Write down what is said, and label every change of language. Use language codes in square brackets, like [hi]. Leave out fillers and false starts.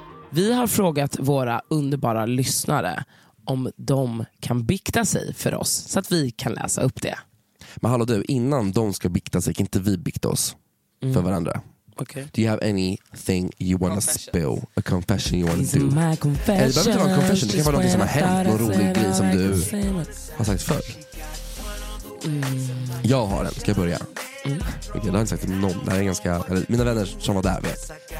[sv] Vi har frågat våra underbara lyssnare om de kan bikta sig för oss så att vi kan läsa upp det. Men hallå du, innan de ska bikta sig, kan inte vi bikta oss för varandra? [en] Okay. Do you have anything you want to spill? A confession you want to do? My confession. [sv] Det behöver inte vara en confession, det kan vara något som har hänt. Någon rolig grej som du har sagt förr. Jag har den, ska jag börja? Okay, jag har inte sagt någon. Det här är ganska, eller, mina vänner som var där vet.